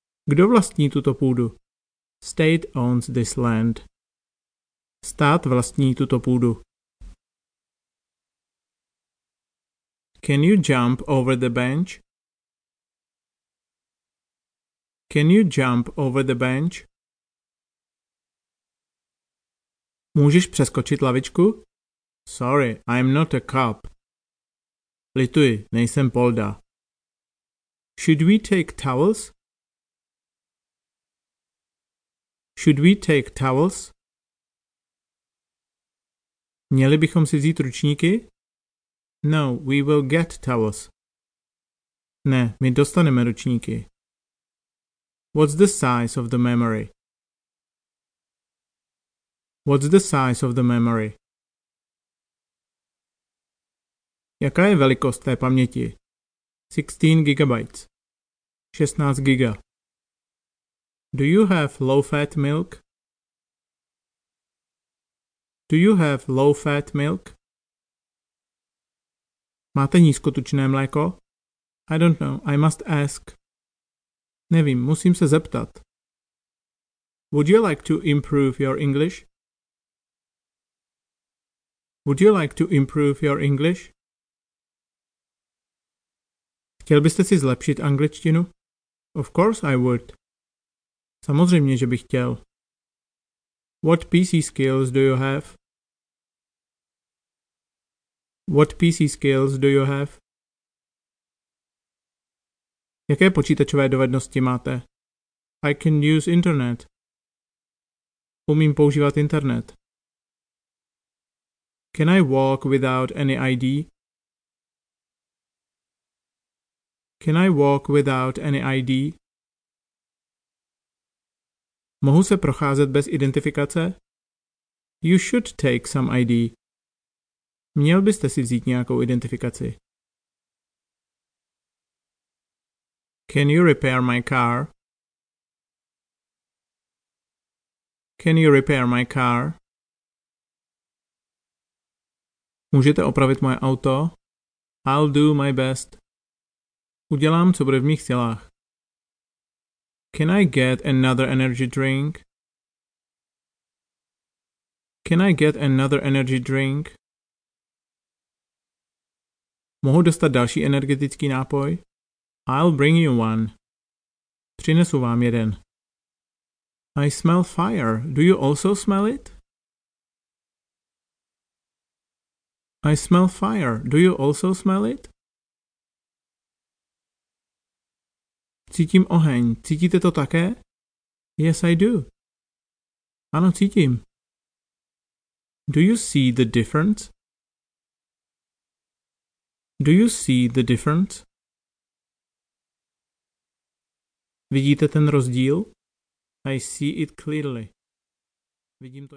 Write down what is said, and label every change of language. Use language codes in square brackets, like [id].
[cs] Kdo vlastní tuto půdu? [en] State owns this land. [cs] Stát vlastní tuto půdu. [en] Can you jump over the bench? Can you jump over the bench? [cs] Můžeš přeskočit lavičku? [en] Sorry, I'm not a cop. [cs] Lituji, nejsem polda. [en] Should we take towels? Should we take towels? [cs] Měli bychom si vzít ručníky? [en] No, we will get towels. [cs] Ne, my dostaneme ručníky. [en] What's the size of the memory? What's the size of the memory? [cs] Jaká je velikost té paměti? [en] 16 gigabytes. 16 giga. Do you have low-fat milk? Do you have low-fat milk? [cs] Máte nízkotučné mléko? [en] I don't know, I must ask. [cs] Nevím, musím se zeptat. [en] Would you like to improve your English? Would you like to improve your English? [cs] Chtěl byste si zlepšit angličtinu? [en] Of course I would. [cs] Samozřejmě, že bych chtěl. [en] What PC skills do you have? What PC skills do you have? [cs] Jaké počítačové dovednosti máte? [en] I can use internet. [cs] Umím používat internet. [en] Can I walk without any ID? Can I walk without any ID? [cs] Mohu se procházet bez identifikace? [en] You should take some ID. [cs] Měl byste si vzít nějakou identifikaci. [en] Can you repair my car? Can you repair my car? [cs] Můžete opravit moje auto? [en] I'll do my best. [cs] Udělám, co bude v mých silách. [en] Can I get another energy drink? Can I get another energy drink? [cs] Mohu dostat další energetický nápoj? [en] I'll bring you one. [cs] Přinesu vám jeden. [en] I smell fire. Do you also smell it? I smell fire. Do you also smell it? [cs] Cítím oheň. Cítíte to také? [en] Yes, I do. [cs] Ano, cítím. [en] Do you see the difference? Do you see the difference? [cs] Vidíte ten rozdíl? [en] I see it clearly. [cs] Vidím to.